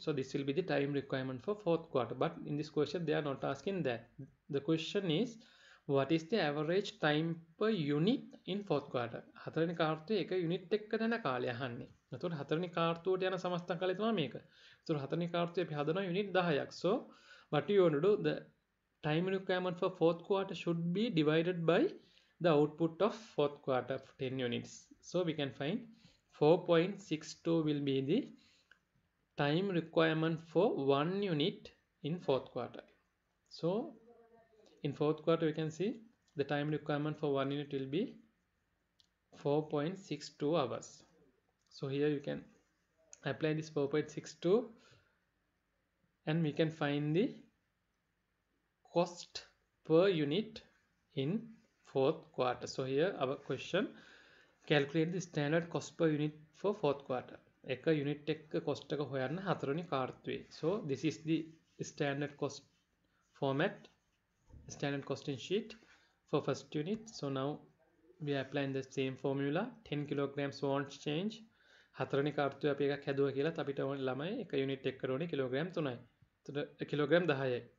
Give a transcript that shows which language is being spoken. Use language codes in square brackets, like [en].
[en] So this will be the time requirement for fourth quarter. But in this question they are not asking that. The question is, what is the average time per unit in fourth quarter? [si] හතරවෙනි කාර්තුවේ එක unit එකකට යන කාලය අහන්නේ. එතකොට හතරවෙනි කාර්තුවට යන සමස්ත කාලය තමයි මේක. එතකොට හතරවෙනි කාර්තුවේ අපි හදනවා යුනිට් 10ක්. [en] So what you want to do, the time requirement for fourth quarter should be divided by the output of fourth quarter, 10 units. So we can find 4.62 will be the time requirement for one unit in fourth quarter. So in fourth quarter, we can see the time requirement for one unit will be 4.62 hours. So here you can apply this 4.62 and we can find the cost per unit in fourth quarter. So here our question, calculate the standard cost per unit for fourth quarter. [si] එක unit එක cost එක හොයන්න හතරවෙනි කාර්තුවේ. [en] So this is the standard cost format, standard costing sheet for first unit. So now we are applying the same formula. 10 kilograms won't change. [si] හතරවෙනි කාර්තුවේ අපි එකක් හැදුවා කියලා අපිට ළමයි එක යුනිට් එකකට ඕනේ කිලෝග්‍රෑම් 3යි. එතකොට කිලෝග්‍රෑම් 10යි.